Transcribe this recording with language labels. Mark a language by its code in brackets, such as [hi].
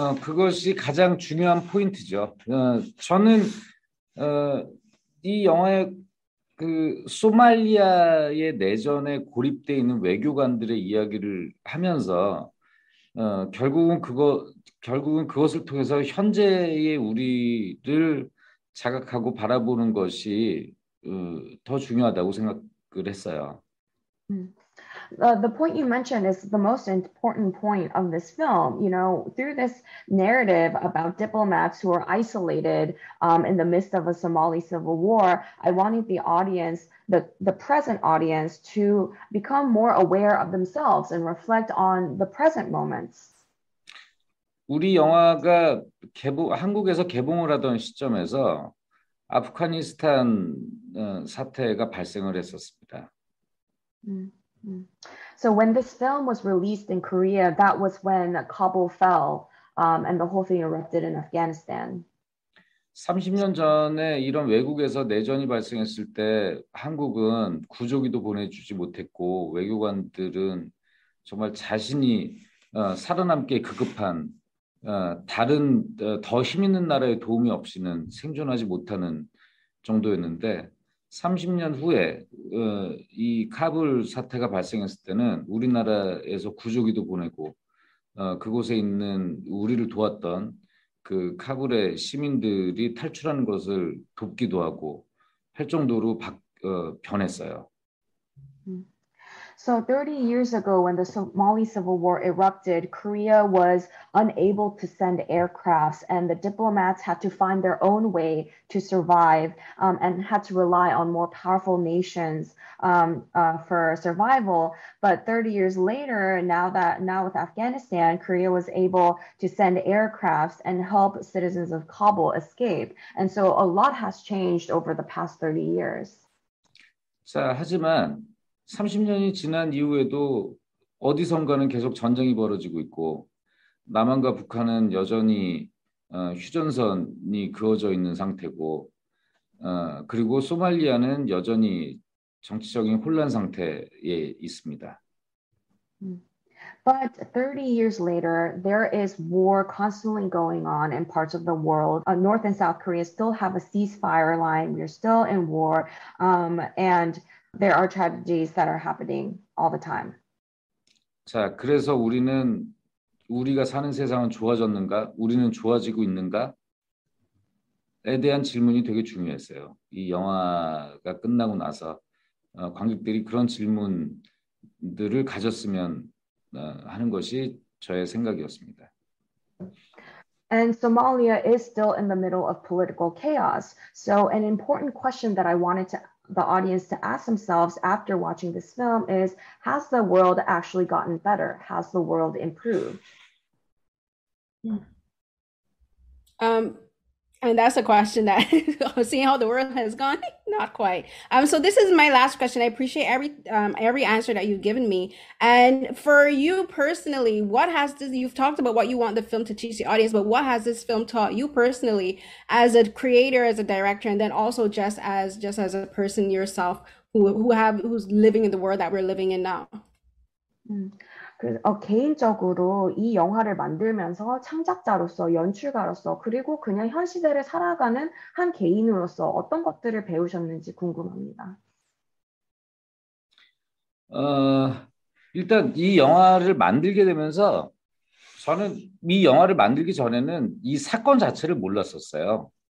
[ko] 그것이 가장 중요한 포인트죠. 저는 이 영화의 그 소말리아의 내전에 고립돼 있는 외교관들의 이야기를 하면서 결국은 그것을 통해서 현재의 우리를 자각하고 바라보는 것이 더 중요하다고 생각을 했어요. [en] The point you mentioned is the most important point of this film. You know, through this narrative about diplomats who are isolated in the midst of a Somali civil war, I wanted the audience, the present audience, to become more aware of themselves and reflect on the present moments. [ko] 우리 영화가 한국에서 개봉을 하던 시점에서 아프가니스탄 사태가 발생을 했었습니다. [en] So when this film was released in Korea, that was when Kabul fell and the whole thing erupted in Afghanistan. [ko] 30년 전에 이런 외국에서 내전이 발생했을 때 한국은 구조기도 보내주지 못했고, 외교관들은 정말 자신이 살아남기에 급급한 다른 더 힘 있는 나라의 도움이 없이는 생존하지 못하는 정도였는데, 30년 후에 이 카불 사태가 발생했을 때는 우리나라에서 구조기도 보내고 그곳에 있는 우리를 도왔던 그 카불의 시민들이 탈출하는 것을 돕기도 하고 할 정도로 변했어요. [en] So 30 years ago, when the Somali civil war erupted, Korea was unable to send aircrafts, and the diplomats had to find their own way to survive and had to rely on more powerful nations for survival. But 30 years later, now with Afghanistan, Korea was able to send aircrafts and help citizens of Kabul escape. And so a lot has changed over the past 30 years. [ko] 자, 하지만 30년이 지난 이후에도 어디선가는 계속 전쟁이 벌어지고 있고, 남한과 북한은 여전히 휴전선이 그어져 있는 상태고, 그리고 소말리아는 여전히 정치적인 혼란 상태에 있습니다. [en] But 30 years later, there is war constantly going on in parts of the world. North and South Korea still have a ceasefire line. We're still in war. And there are tragedies that are happening all the time. [ko] 자, 그래서 우리는 우리가 사는 세상은 좋아졌는가? 우리는 좋아지고 있는가? 에 대한 질문이 되게 중요했어요. 이 영화가 끝나고 나서 관객들이 그런 질문들을 가졌으면 하는 것이 저의 생각이었습니다. [en] And Somalia is still in the middle of political chaos. So an important question that I wanted to the audience to ask themselves after watching this film is, has the world actually gotten better? Has the world improved? And that's a question that seeing how the world has gone, not quite. So this is my last question. I appreciate every answer that you've given me. And for you personally, what has this, you've talked about what you want the film to teach the audience, but what has this film taught you personally as a creator, as a director, and then also just as a person yourself who's living in the world that we're living in now? Mm. [ko] 개인적으로 이 영화를 만들면서 창작자로서, 연출가로서, 그리고 그냥 현 시대를 살아가는 한 개인으로서 어떤 것들을 배우셨는지 궁금합니다. 일단 이 영화를 만들게 되면서 저는 이 영화를 만들기 전에는 이 사건 자체를 몰랐었어요.